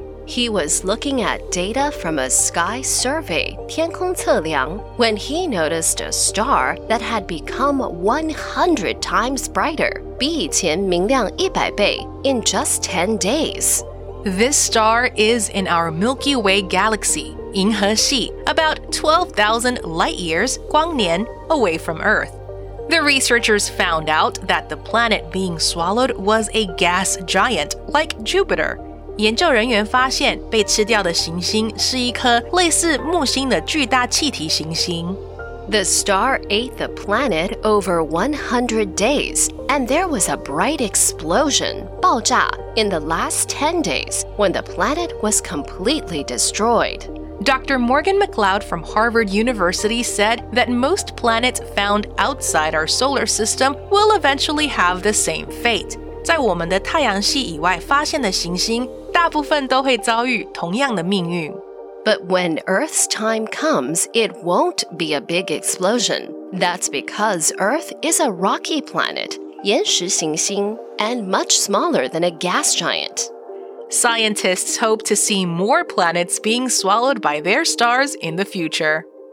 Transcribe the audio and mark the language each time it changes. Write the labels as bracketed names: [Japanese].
[English] He was looking at data from a sky survey, 天空测量, when he noticed a star that had become 100 times brighter, [Chinese] 比以前明亮100倍, [English] in just 10 days. This star is in our Milky Way galaxy, 银河系, about 12,000 light years, 光年, away from Earth. The researchers found out that the planet being swallowed was a gas giant like Jupiter, [Chinese] 研究人员发现被吃掉的行星是一颗类似木星的巨大气体行星。 [English] The star ate the planet over 100 days, and there was a bright explosion, 爆炸, in the last 10 days when the planet was completely destroyed. Dr. Morgan McLeod from Harvard University said that most planets found outside our solar system will eventually have the same fate. [Chinese] 在我们的太阳系以外发现的行星大部分都会遭遇同样的命运。 [English] But when Earth's time comes, it won't be a big explosion. That's because Earth is a rocky planet, 岩石行星, and much smaller than a gas giant. Scientists hope to see more planets being swallowed by their stars in the future.